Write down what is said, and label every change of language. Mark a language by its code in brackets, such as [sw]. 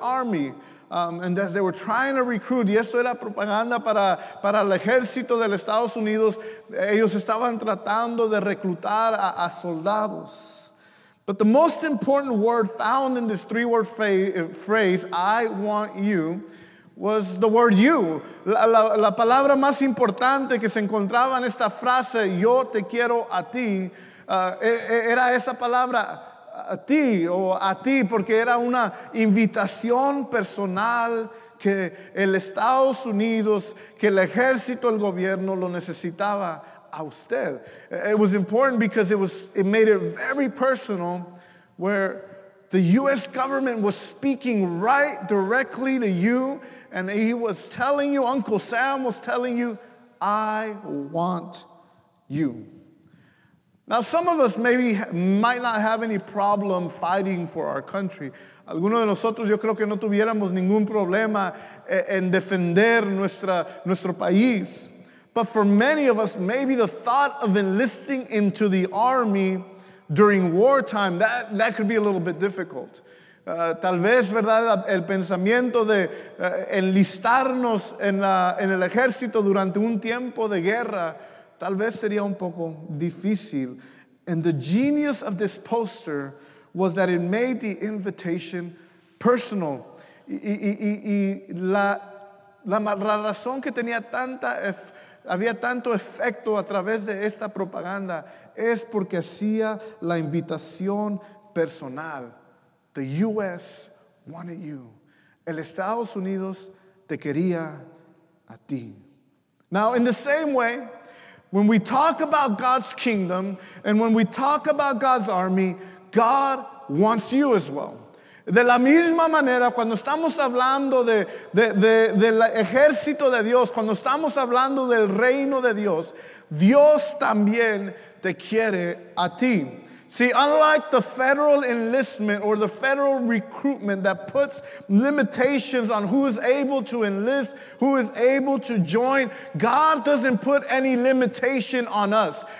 [en] Army. And as they were trying to recruit, [es] y esto era propaganda para el ejército de Estados Unidos, ellos estaban tratando de reclutar a soldados. [en] But the most important word found in this three-word phrase, I want you, was the word you. [es] La palabra más importante que se encontraba en esta frase, yo te quiero a ti, era esa palabra, a ti o a ti, porque era una invitación personal que el Estados Unidos, que el ejército, el gobierno lo necesitaba a usted. [en] It was important because it made it very personal, where the U.S. government was speaking right directly to you, and he was telling you, Uncle Sam was telling you, I want you. Now, some of us maybe might not have any problem fighting for our country. [es] Algunos de nosotros, yo creo que no tuviéramos ningún problema en defender nuestro país. [en] But for many of us, maybe the thought of enlisting into the army during wartime, that could be a little bit difficult. [es] Tal vez, ¿verdad?, el pensamiento de enlistarnos en el ejército durante un tiempo de guerra, tal vez sería un poco difícil. [en] And the genius of this poster was that it made the invitation personal. [es] Y la razón que tenía tanto efecto a través de esta propaganda es porque hacía la invitación personal. [en] The U.S. wanted you. [es] El Estados Unidos te quería a ti. [en] Now, in the same way, when we talk about God's kingdom and when we talk about God's army, God wants you as well. [es] De la misma manera, cuando estamos hablando del ejército de Dios, cuando estamos hablando del reino de Dios, Dios también te quiere a ti. [en] See, unlike the federal enlistment or the federal recruitment that puts limitations on who is able to enlist, who is able to join, God doesn't put any limitation on us.